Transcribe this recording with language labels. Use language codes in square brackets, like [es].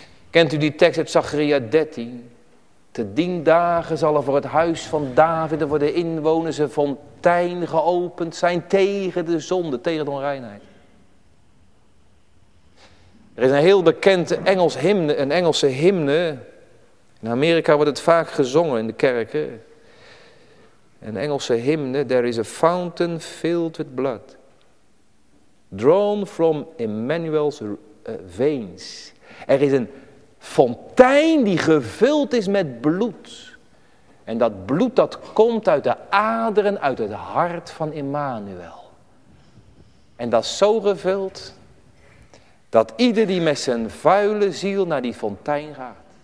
[nl] Kent u die tekst uit Zacharia 13? Te dien dagen zal er voor het huis van David en voor de inwoners een fontein geopend zijn tegen de zonde, tegen de onreinheid. Er is een heel bekende Engels hymne, een Engelse hymne. In Amerika wordt het vaak gezongen in de kerken. Een Engelse hymne. [en] There is a fountain filled with blood. Drawn from Emmanuel's veins. [nl] Er is een fontein die gevuld is met bloed. En dat bloed dat komt uit de aderen, uit het hart van Emmanuel. En dat is zo gevuld dat ieder die met zijn vuile ziel naar die fontein gaat.